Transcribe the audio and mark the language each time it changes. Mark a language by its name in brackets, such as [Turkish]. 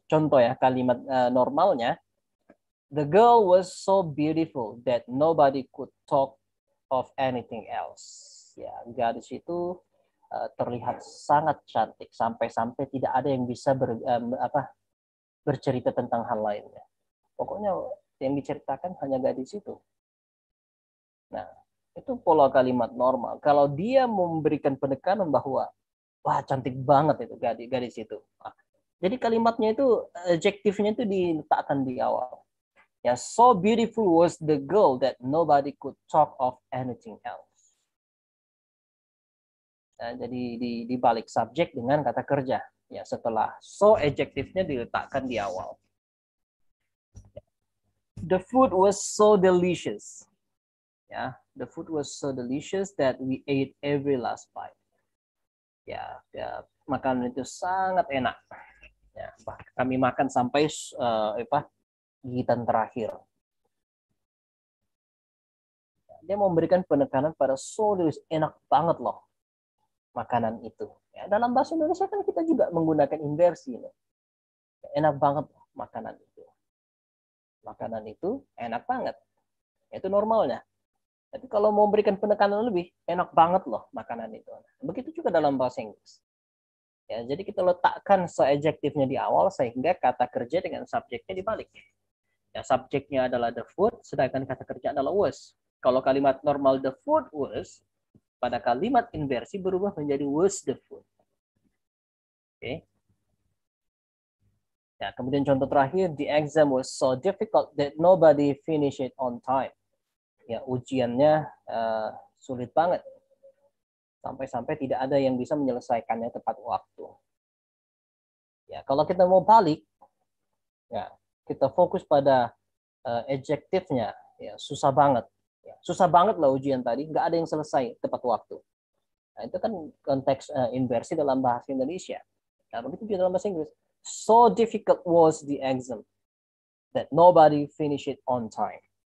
[Indonesian] Contoh ya, kalimat normalnya [English] the girl was so beautiful that nobody could talk of anything else. [Indonesian] Ya, gadis itu terlihat sangat cantik sampai-sampai tidak ada yang bisa bercerita tentang hal lainnya. Pokoknya yang diceritakan hanya gadis itu. Nah, itu pola kalimat normal. Kalau dia memberikan penekanan bahwa, wah cantik banget itu gadis itu. Nah, jadi kalimatnya itu, adjektifnya itu diletakkan di awal. [English] Ya, so beautiful was the girl that nobody could talk of anything else. [Indonesian] Nah, jadi di balik subjek dengan kata kerja. Ya, setelah so adjektifnya diletakkan di awal. [English] The food was so delicious. Yeah, the food was so delicious that we ate every last bite. [Indonesian] Yeah, makanan itu sangat enak. Yeah, kami makan sampai gigitan terakhir. Dia memberikan penekanan pada [English] so delicious, [Indonesian] enak banget loh makanan itu. Ya, dalam bahasa Indonesia kan kita juga menggunakan inversi ini. Enak banget loh makanan itu. Makanan itu enak banget. Itu normalnya. Tapi kalau mau memberikan penekanan lebih, enak banget loh makanan itu. Begitu juga dalam bahasa Inggris. Ya, jadi kita letakkan se-adjektifnya di awal sehingga kata kerja dengan subjeknya dibalik. Ya, subjeknya adalah the food, sedangkan kata kerja adalah was. Kalau kalimat normal [English] the food was, [Indonesian] pada kalimat inversi berubah menjadi [English] was the food. [Indonesian] Oke. Okay. Ya, kemudian contoh terakhir, [English] the exam was so difficult that nobody finished it on time. [Indonesian] Ya, ujiannya sulit banget. Sampai-sampai tidak ada yang bisa menyelesaikannya tepat waktu. Ya, kalau kita mau balik, ya, kita fokus pada adjektifnya, ya, susah banget. Ya, susah banget lah ujian tadi, nggak ada yang selesai tepat waktu. Nah, itu kan konteks inversi dalam bahasa Indonesia. Nah, begitu juga dalam bahasa Inggris. [English] So difficult was the exam that nobody finished it on time.